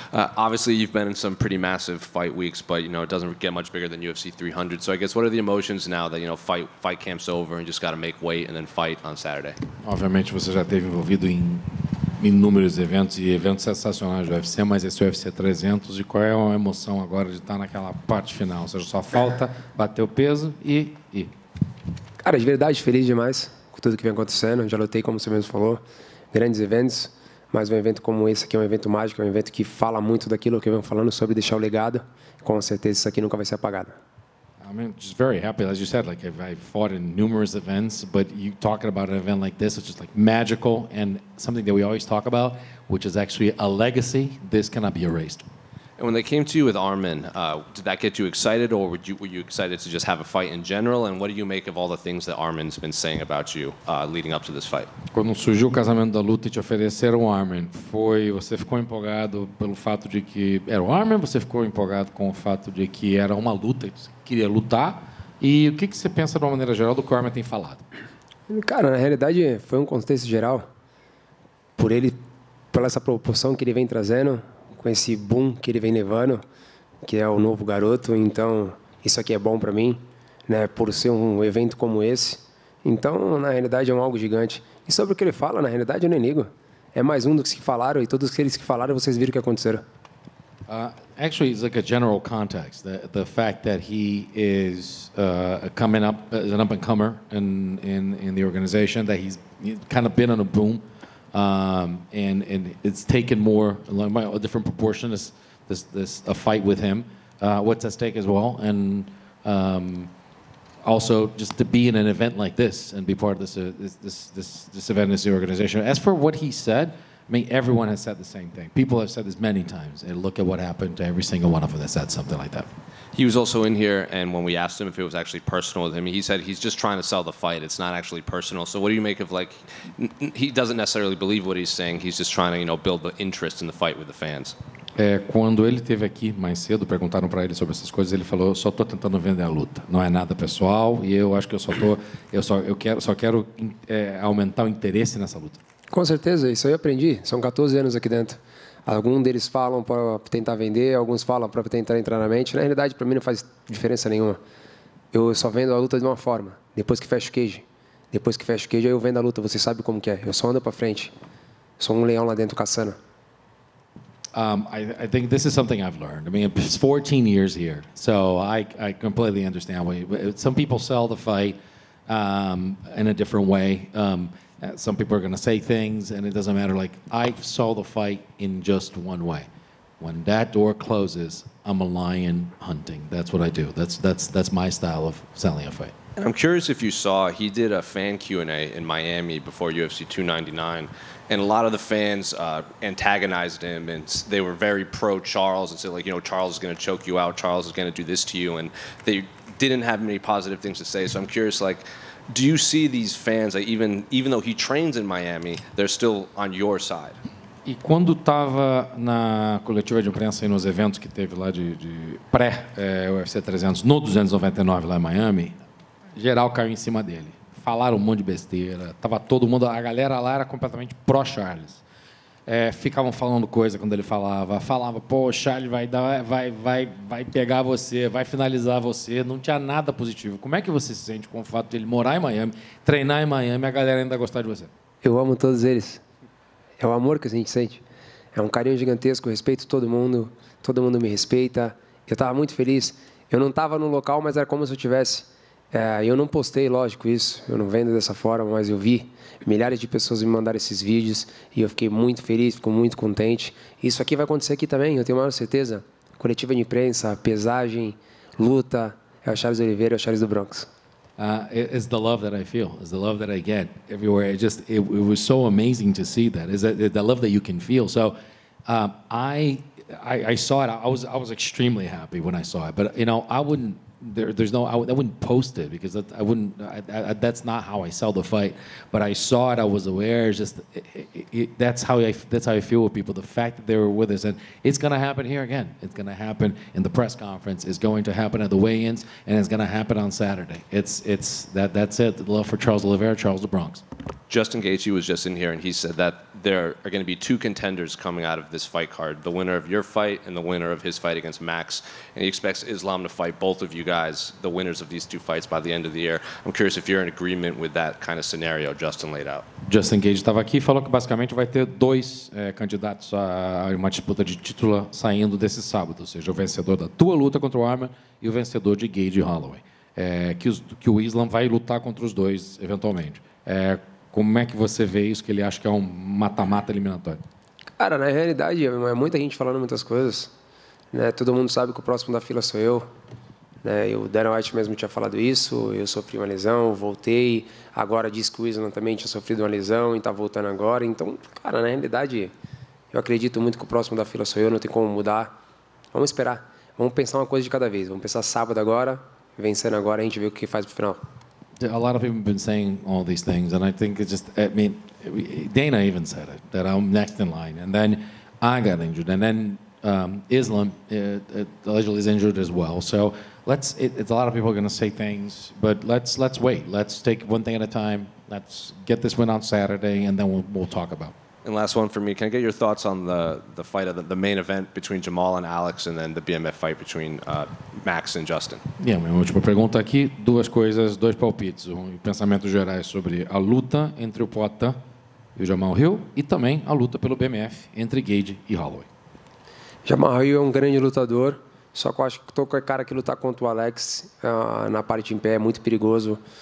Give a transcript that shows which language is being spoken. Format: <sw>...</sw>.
<en>Obviously, you've been in some pretty massive fight weeks, but you know it doesn't get much bigger than UFC 300. So I guess, what are the emotions now that you know fight camp's over and just got to make weight and then fight on Saturday?</en> <pt>Obviamente, você já teve envolvido em inúmeros eventos e eventos sensacionais do UFC, mas esse UFC 300, e qual é a emoção agora de estar naquela parte final? Ou seja, só falta bater o peso e. Cara, de verdade, feliz demais com tudo que vem acontecendo. Já lutei, como você mesmo falou, grandes eventos, mas um evento como esse aqui é um evento mágico, é um evento que fala muito daquilo que eu venho falando sobre deixar o legado. Com certeza, isso aqui nunca vai ser apagado. I mean, just very happy, as you said, like I've fought in numerous events, but you talking about an event like this, which is like magical and something that we always talk about, which is actually a legacy, this cannot be erased. And when they came to you with Arman, did that get you excited, or were you excited to just have a fight in general? And what do you make of all the things that Arman's been saying about you leading up to this fight? Quando surgiu o casamento da luta e te ofereceram o Arman, foi, você ficou empolgado pelo fato de que era o Arman, você ficou empolgado com o fato de que era uma luta, queria lutar, e o que que você pensa de uma maneira geral do que o Arman tem falado? Cara, na realidade, foi um contexto geral, por ele, pela essa proporção que ele vem trazendo, com esse boom que ele vem levando, que é o novo garoto, então isso aqui é bom para mim, né, por ser um evento como esse, então na realidade é um algo gigante. E sobre o que ele fala, na realidade eu nem ligo, é mais um dos que falaram, e todos aqueles que falaram, vocês viram o que aconteceram.</pt> <en>Actually, it's like a general context. The fact that he is coming up as an up-and-comer in the organization, that he's kind of been on a boom, and it's taken more, a different proportion, this a fight with him, what's at stake as well, and also just to be in an event like this and be part of this event, this organization. As for what he said, I mean, everyone has said the same thing. People have said this many times. And look at what happened to every single one of them that said something like that. He was also in here, and when we asked him if it was actually personal with him, he said he's just trying to sell the fight. It's not actually personal. So what do you make of, like, he doesn't necessarily believe what he's saying. He's just trying to, you know, build the interest in the fight with the fans.</en> <pt>Quando ele esteve aqui mais cedo, perguntaram para ele sobre essas coisas, ele falou, só estou tentando vender a luta, não é nada pessoal, e eu acho que eu quero aumentar o interesse nessa luta. Com certeza, isso aí eu aprendi, são 14 anos aqui dentro. Alguns deles falam para tentar vender, alguns falam para tentar entrar na mente, na realidade para mim não faz diferença nenhuma. Eu só vendo a luta de uma forma, depois que fecho o cage. Depois que fecho o cage, aí eu vendo a luta, você sabe como que é, eu só ando para frente. Sou um leão lá dentro caçando.</pt> <en>I think this is something I've learned. I mean, it's 14 years here, so I completely understand. Some people sell the fight in a different way. Some people are going to say things, and it doesn't matter. Like, I saw the fight in just one way. When that door closes, I'm a lion hunting. That's what I do. That's my style of selling a fight. And I'm curious if you saw, he did a fan Q&A in Miami before UFC 299, and a lot of the fans antagonized him, and they were very pro-Charles, and said, like, you know, Charles is going to choke you out, Charles is going to do this to you, and they didn't have many positive things to say. So I'm curious, like, do you see these fans, like, even though he trains in Miami, they're still on your side?</en> <pt>E quando estava na coletiva de imprensa e nos eventos que teve lá de pré-UFC 300, no 299 lá em Miami, geral caiu em cima dele. Falaram um monte de besteira, tava todo mundo, a galera lá era completamente pró-Charles. Ficavam falando coisa quando ele falava. Falava, pô, o Charles vai pegar você, vai finalizar você. Não tinha nada positivo. Como é que você se sente com o fato de ele morar em Miami, treinar em Miami, a galera ainda gostar de você? Eu amo todos eles. É o amor que a gente sente. É um carinho gigantesco, respeito todo mundo. Todo mundo me respeita. Eu tava muito feliz. Eu não tava no local, mas era como se eu tivesse. Eu não postei, lógico, isso. Eu não vendo dessa forma, mas eu vi milhares de pessoas me mandaram esses vídeos e eu fiquei muito feliz, fico muito contente. Isso aqui vai acontecer aqui também, eu tenho maior certeza. Coletiva de imprensa, pesagem, luta, é o Charles Oliveira, é o Charles do Bronx.</pt> <en>It's the love that I feel, it's the love that I get everywhere. It was so amazing to see that. It's the love that you can feel. So I saw it, I was extremely happy when I saw it, but you know, I wouldn't post it because that's not how I sell the fight. But I saw it. I was aware. It's just that's how I feel with people. The fact that they were with us, and it's gonna happen here again. It's gonna happen in the press conference. It's going to happen at the weigh-ins, and it's gonna happen on Saturday. That's it. Love for Charles Oliveira, Charles the Bronx. Justin Gaethje was just in here, and he said that there are going to be two contenders coming out of this fight card, the winner of your fight and the winner of his fight against Max. And he expects Islam to fight both of you guys, the winners of these two fights, by the end of the year. I'm curious if you're in agreement with that kind of scenario Justin laid out.</en> <pt>Justin Gaethje estava aqui e falou que basicamente vai ter dois candidatos a uma disputa de título saindo desse sábado, ou seja, o vencedor da tua luta contra o Arman e o vencedor de Gaethje Holloway. Que o Islam vai lutar contra os dois, eventualmente. Como é que você vê isso, que ele acha que é um mata-mata eliminatório? Cara, na realidade, é muita gente falando muitas coisas. Né? Todo mundo sabe que o próximo da fila sou eu. Né? E o Dana White mesmo tinha falado isso, eu sofri uma lesão, voltei. Agora diz que o Islam também tinha sofrido uma lesão e está voltando agora. Então, cara, na realidade, eu acredito muito que o próximo da fila sou eu, não tem como mudar. Vamos esperar. Vamos pensar uma coisa de cada vez. Vamos pensar sábado agora. Vencendo agora, a gente vê o que faz pro final.</pt> <en>A lot of people have been saying all these things, and I think it's just, I mean, Dana even said it, that I'm next in line, and then I got injured, and then Islam allegedly is injured as well. So let's, it's a lot of people are going to say things, but let's wait. Let's take one thing at a time. Let's get this win on Saturday, and then we'll talk about it. And last one for me, can I get your thoughts on the fight, of the main event between Jamal and Alex, and then the BMF fight between Max and Justin?</en> <pt>Yeah, minha última pergunta aqui, duas coisas, dois palpites. Pensamentos gerais sobre a luta entre o Poatan e o Jamal Hill, e também a luta pelo BMF entre Gaethje e Holloway. Jamal Hill é grande lutador, só que eu acho que tô com a cara que lutar contra o Alex na parte em pé é muito perigoso.</pt>